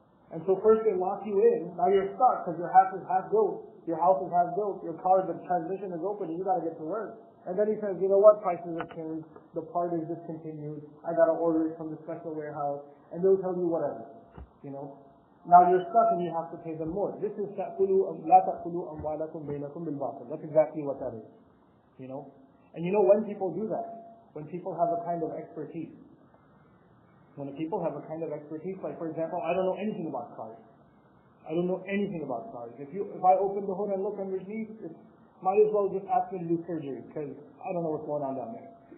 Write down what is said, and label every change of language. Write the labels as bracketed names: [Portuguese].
[English] And so first they lock you in, now you're stuck because your house is half built, your house is half built, your car, the transmission is open, and you got to get to work. And then he says, you know what, prices have changed, the part is discontinued, I got to order it from the special warehouse, and they'll tell you whatever, you know. Now you're stuck and you have to pay them more. This is [Arabic] لَا تَأْكُلُوا أَمْوَالَكُمْ بَيْنَكُمْ بِالْبَاطِلِ. [English] That's exactly what that is, you know. And you know when people do that? When people have a kind of expertise. When people have a kind of expertise, like for example, I don't know anything about cars. I don't know anything about cars. If I open the hood and look underneath, it might as well just ask me to do surgery because I don't know what's going on down there.